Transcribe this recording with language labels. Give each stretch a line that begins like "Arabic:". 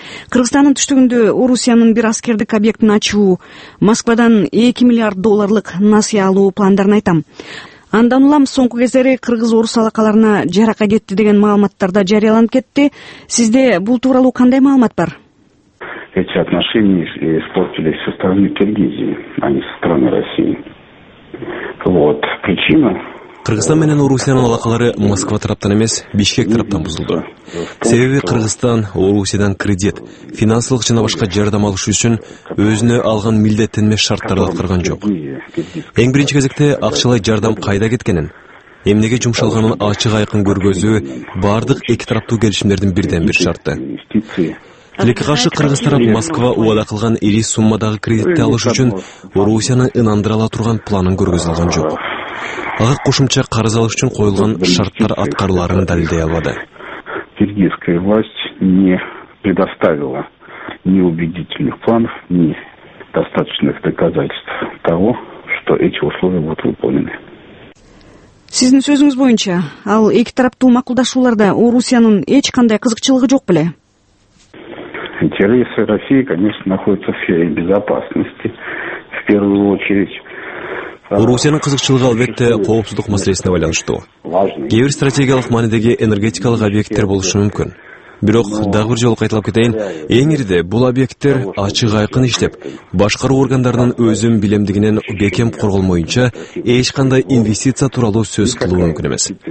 Kyrgyz: Кыргызстандын түштүгүндө Орусиянын бир аскердик объектин ачуу, Москвадан 2 миллиард долларлык насыя алуу пландарын айтам. Андан улам соңку кездери кыргыз орус алакаларына жарака кетти деген маалыматтар да жарыяланып кетти. Сизде бул тууралуу кандай маалымат бар?
Russian: Эти отношения испортились со стороны Киргизии, а не со стороны России. Вот причина.
Kyrgyz: Кыргызстан менен Орусиянын алакалары Москва тараптан эмес, Бишкек тараптан бузулду. Себеби Кыргызстан Орусиядан кредит, финансылык жана башка жардам алыш үчүн өзүнө алган милдеттенмеш шарттарды аткарган жок. Эң биринчи кезекте акчалай жардам кайда кеткенин, эмнеге жумшалганын ачык айкын көргөзүү бардык эки тараптуу келишимдердин бирден бир шарты. Тилекке каршы кыргыз тарап Москва убада кылган ири суммадагы кредитти алыш үчүн Орусияны ынандыра ала турган планын көргөзө алган жок. Ага кошумча карыз алыш үчүн коюлган шарттар аткарыларын далилдей албады.
Russian: Киргизская власть не предоставила ни убедительных планов, ни достаточных доказательств того, что эти условия будут выполнены.
Kyrgyz: Сиздин сөзүңүз боюнча, ал эки тараптуу макулдашууларда Орусиянын эч кандай кызыкчылыгы жок беле?
Russian: Интересы России, конечно, находятся в сфере безопасности, в первую очередь.
Kyrgyz: Орусиянын кызыкчылыгы албетте коопсуздук маселесине байланыштуу. Кээ бир стратегиялык маанидеги энергетикалык объекттер болушу мүмкүн. Бирок дагы бир жолу кайталап кетейин, эң ириде бул объекттер ачык айкын иштеп, башкаруу органдарынын өзүн билемдигинен бекем корголмоюнча эч кандай инвестиция тууралуу сөз кылуу мүмкүн эмес.